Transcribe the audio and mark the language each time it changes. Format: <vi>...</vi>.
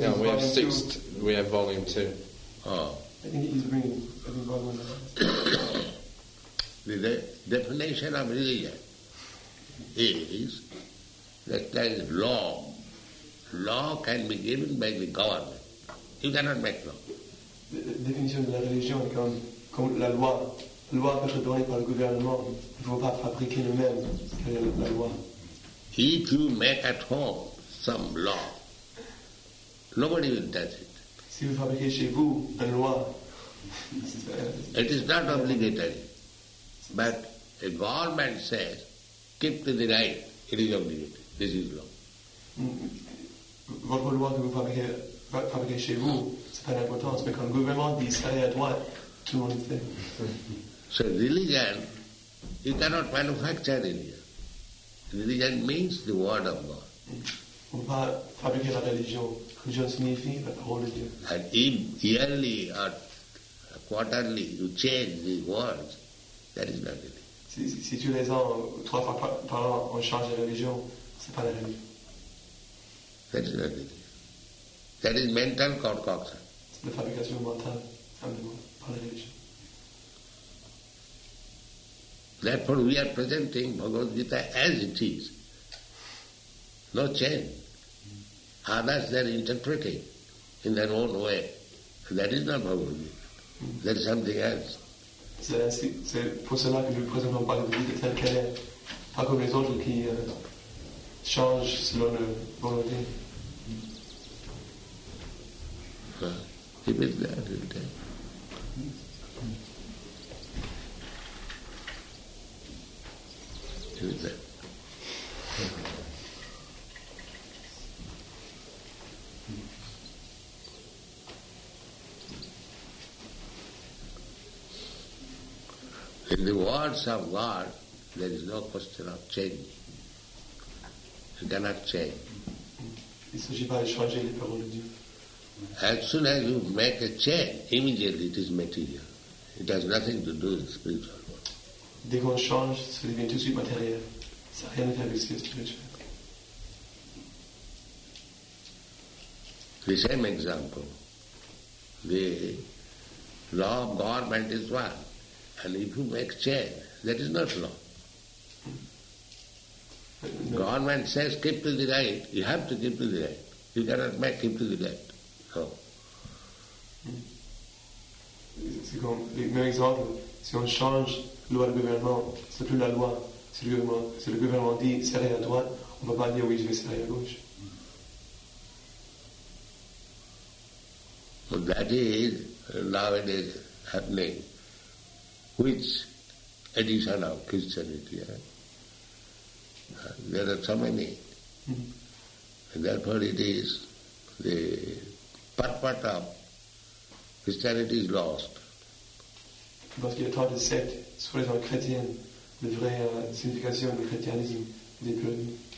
<en>No, we have six, we have volume 2. Oh. I think he's bringing every volume. The definition of religion is that there is law. Law can be given by the government. You cannot make law.</en> <fr>La définition de la religion est comme, comme la loi. La loi peut être donnée par le gouvernement. Il ne faut pas fabriquer le même que la loi.</fr> <en>If you make at home some law, nobody will touch it.</en> <fr>Si vous fabriquez chez vous une loi,</fr> <en>it is not obligatory. But a government says, keep to the right, it is obligatory. This is law.</en> <fr>Votre loi que vous fabriquez chez vous, c'est pas d'importance, mais quand le gouvernement dit ça est à droite, tout le monde fait.</fr> <en>So religion, you cannot manufacture religion. Religion means the word of God.</en> <fr>On ne peut pas fabriquer la religion. Religion signifie la parole de Dieu.</fr> <en>And if yearly or quarterly you change the words, that is not religion.</en> <fr>Si tous les ans, trois fois par an, on change la religion, c'est pas la religion.</fr> <en>That is not religion. That is mental concoction.</en> <fr>C'est la fabrication mentale, simplement, pas la religion.</fr> <en>Therefore, we are presenting Bhagavad Gita as it is. No change. Others, they are interpreting in their own way. That is not Bhagavad Gita. That is something else.</en> <fr>C'est pour cela que nous présentons Bhagavad Gita telle qu'elle est, pas comme les autres qui changent selon le volonté.</fr> <en>Keep it there, you tell. In the words of God, there is no question of change. You cannot change. As soon as you make a change, immediately it is material. It has nothing to do with the spiritual.</en> <fr>Dès qu'on change, ça devient tout de suite matériel. Ça n'a rien à faire avec ce qui est spirituel.</fr> <en>The same example. The law of government is one. And if you make change, that is not law. No. Government says keep to the right. You have to keep to the right. You cannot make keep to the right. No.</en> <fr>C'est comme le même exemple. Si on change loi du gouvernement, c'est plus la loi. Si le gouvernement dit serrer à droite, on ne peut pas dire oui, je vais serrer à gauche.</fr> <en>But that is nowadays happening. Which edition of Christianity? There are so many. Mm-hmm. Therefore, it is the purport of Christianity is lost.</en> <fr>Parce qu'il y a tant de sectes, sur les gens chrétiens, la vraie signification du christianisme n'est plus.</fr>